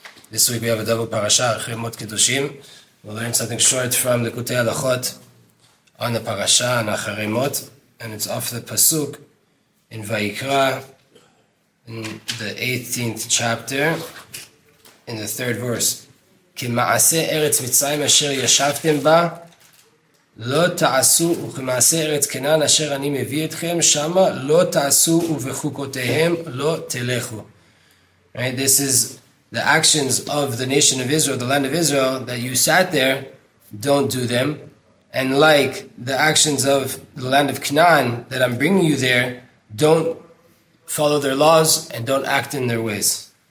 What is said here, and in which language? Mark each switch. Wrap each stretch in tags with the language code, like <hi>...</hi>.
<en>This week we have a double parasha, Achrei Mot Kiddushim. We'll learn something short from the Kutei Halachot on the parasha, on Achrei Mot. And it's off the Pasuk in Vayikra, in the 18th chapter, in the third verse.</en> <he>Ki ma'aseh eretz mitzayim asher yashavtem ba, לא תעשו, וכמעשה ארץ כנען אשר אני מביא אתכם, שמה לא תעשו ובחוקותיהם לא תלכו.</he> <en>Right, this is the actions of the nation of Israel, the land of Israel, that you sat there, don't do them. And like the actions of the land of Canaan, that I'm bringing you there, don't follow their laws and don't act in their ways.</en>